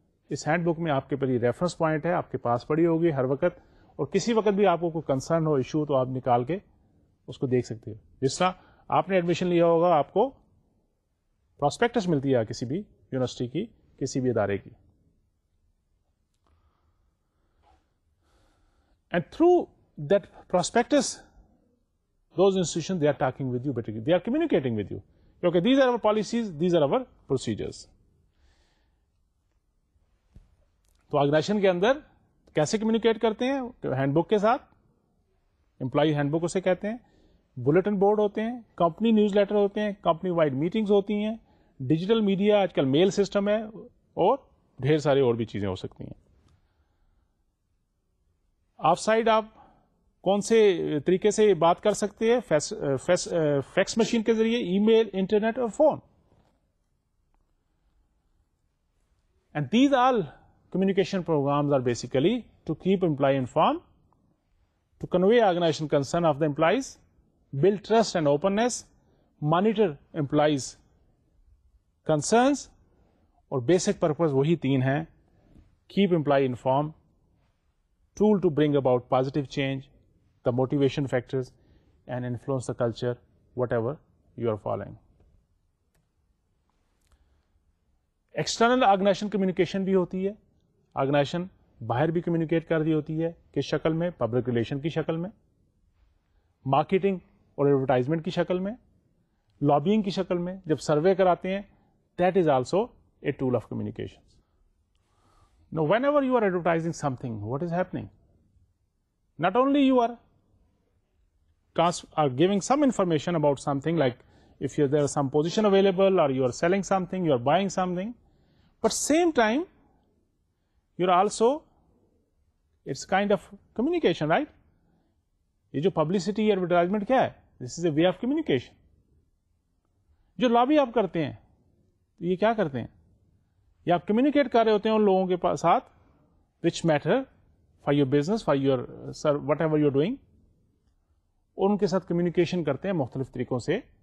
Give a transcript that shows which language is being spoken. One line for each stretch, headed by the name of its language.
Urdu: اس hand book میں آپ کے پاس یہ ریفرنس پوائنٹ ہے, آپ کے پاس پڑی ہوگی ہر وقت, اور کسی وقت بھی آپ کو کوئی کنسرن ہو, ایشو ہو, تو آپ نکال کے اس کو دیکھ سکتے ہو. جس طرح آپ نے ایڈمیشن لیا ہوگا آپ کو پراسپیکٹس ملتی ہے کسی بھی یونیورسٹی کی, کسی بھی ادارے کی.
English: and through that prospectus those institution they are talking with you better, they are communicating with you,
Urdu: کیونکہ
English: These are our policies, these are our procedures.
Urdu: تو آرگنائزیشن کے اندر کیسے کمیونیکیٹ کرتے ہیں؟ ہینڈ بک کے ساتھ, امپلائی ہینڈ بک اسے کہتے ہیں, بلٹن بورڈ ہوتے ہیں, کمپنی نیوز لیٹر ہوتے ہیں, کمپنی وائڈ میٹنگز ہوتی ہیں, ڈیجیٹل میڈیا, آج کل میل سسٹم ہے, اور ڈھیر سارے اور بھی چیزیں ہو سکتی ہیں. آف سائڈ آپ کون سے طریقے سے بات کر سکتے ہیں؟ فیکس مشین کے ذریعے, ای میل, انٹرنیٹ اور phone.
English: and these all communication programs are basically to keep employee informed, to convey organization concern of the employees, build trust and openness, monitor employees concerns,
Urdu: aur basic purpose wahi teen hain,
English: keep employee informed, tool to bring about positive change, the motivation factors and influence the culture, whatever you are following. External organization communication
Urdu: bhi hoti hai, organization باہر بھی communicate کر دی ہوتی ہے, کس شکل میں؟ Public relation کی شکل میں, مارکیٹنگ اور ایڈورٹائزمنٹ کی شکل میں, لابینگ کی شکل میں, جب سروے کراتے ہیں
English: That is also a tool of communication. Now, whenever you are advertising something, what is happening? Not only you are giving some information about something, like if there is some position available, or you are selling something, you are buying something, but same time, you're also, it's kind of communication, right?
Urdu: یہ جو publicity advertisement کیا ہے,
English: This is a way of communication.
Urdu: جو lobby آپ کرتے ہیں تو یہ کیا کرتے ہیں, یہ آپ کمیونیکیٹ کر رہے ہوتے ہیں ان لوگوں کے ساتھ,
English: which matter for your business, for your sir whatever you doing,
Urdu: اور ان کے ساتھ کمیونیکیشن کرتے ہیں مختلف طریقوں سے.